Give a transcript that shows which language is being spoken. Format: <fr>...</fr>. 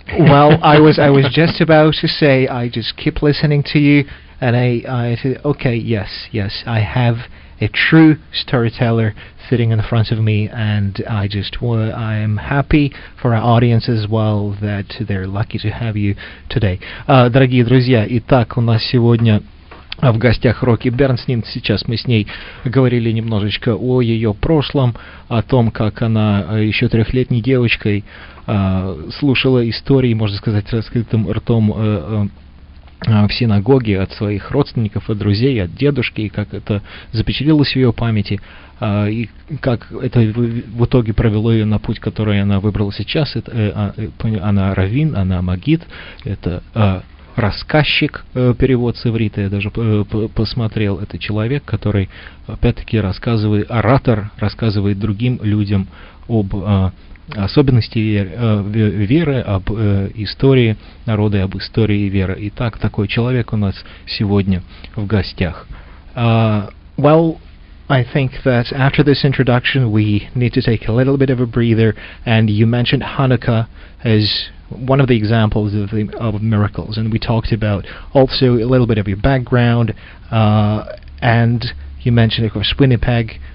<en>Well, I was just about to say, I just keep listening to you, and I said, okay, yes, I have a true storyteller sitting in front of me, and I am happy for our audience as well that they're lucky to have you today.</en> <ru>Дорогие друзья, итак, у нас сегодня в гостях Роки Бернснин. Сейчас мы с ней говорили немножечко о ее прошлом, о том, как она еще 3-летней девочкой слушала истории, можно сказать, раскрытым ртом в синагоге от своих родственников, от друзей, от дедушки, и как это запечатлелось в ее памяти, и как это в итоге провело ее на путь, который она выбрала сейчас. Она раввин, она магид, это рассказчик, перевод с иврита, я даже посмотрел, это человек, который, опять-таки, рассказывает, оратор, рассказывает другим людям об особенности веры, об истории народа, об истории веры. Итак, такой человек у нас сегодня в гостях.</ru> <en>Well, I think that after this introduction, we need to take a little bit of a breather, and you mentioned Hanukkah as one of the examples of miracles, and we talked about also a little bit of your background, and you mentioned, of course, Winnipeg.</en>